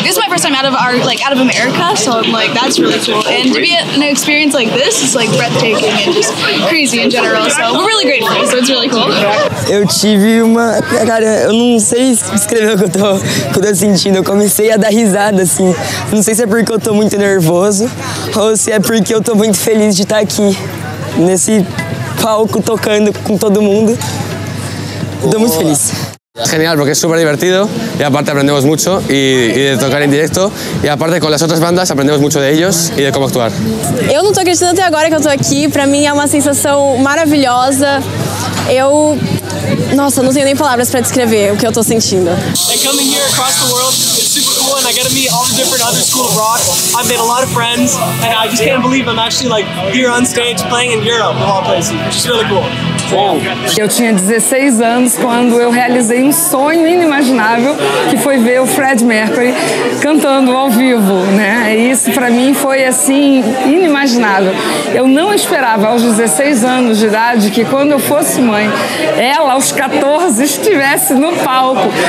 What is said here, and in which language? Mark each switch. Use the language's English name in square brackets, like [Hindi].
[English] first time out of our like out of America, so I'm like, that's really cool. And to be at an experience like this is like breathtaking and just crazy in general. So we're really grateful. So it's really cool. [Portuguese] Eu tive uma, cara, eu não sei escrever o que eu tô sentindo. Eu comecei a dar risada, assim. Não sei se é porque eu tô muito nervoso ou se é porque eu tô muito feliz de estar aqui nesse palco tocando com todo mundo. Eu tô muito feliz. [Spanish] Genial, porque es súper divertido y aparte aprendemos mucho y de tocar en directo y aparte con las otras bandas aprendemos mucho de ellos y de cómo actuar. [Portuguese] Eu não tô acreditando até agora que eu tô aqui. Para mim é uma sensação maravilhosa. Nossa, não tenho nem palavras para descrever o que eu tô sentindo. [English] Coming here across the world is super cool and I get to meet all the different other schools of rock. I've made a lot of friends and I just can't believe I'm actually like here on stage playing in Europe of all places, which is really cool. [Portuguese] Eu tinha 16 anos quando eu realizei um sonho inimaginável, que foi ver o Fred Mercury cantando ao vivo, né? E isso pra mim foi assim, inimaginável. Eu não esperava aos 16 anos de idade que quando eu fosse mãe, ela aos 14 estivesse no palco.